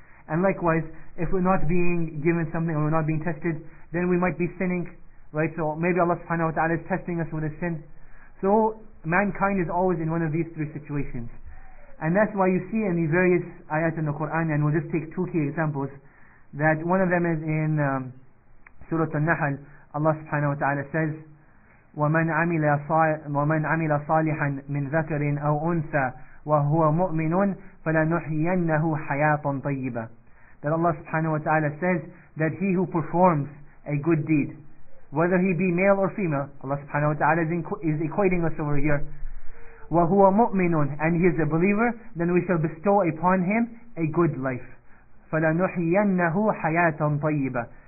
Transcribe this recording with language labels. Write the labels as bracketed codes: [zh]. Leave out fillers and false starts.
[en] And likewise, if we're not being given something or we're not being tested, then we might be sinning, right? So maybe Allah subhanahu wa ta'ala is testing us with a sin. So mankind is always in one of these three situations. And that's why you see in the various ayat in the Quran, and we'll just take two key examples, that one of them is in Surah An-Nahl. Allah subhanahu wa ta'ala says, [ar] وَمَنْ عَمِلَ صَالِحًا مِنْ ذَكَرٍ أَوْ أُنْثَى وَهُوَ مُؤْمِنٌ فَلَنُحْيَنَّهُ حَيَاطًا طَيِّبًا. [en] That Allah subhanahu wa ta'ala says that he who performs a good deed, whether he be male or female, Allah subhanahu wa ta'ala is equating us over here, [ar] وَهُوَ مُؤْمِنٌ, [en] and he is a believer, then we shall bestow upon him a good life. [ar] فَلَنُحْيَنَّهُ حَيَاطًا طَيِّبًا.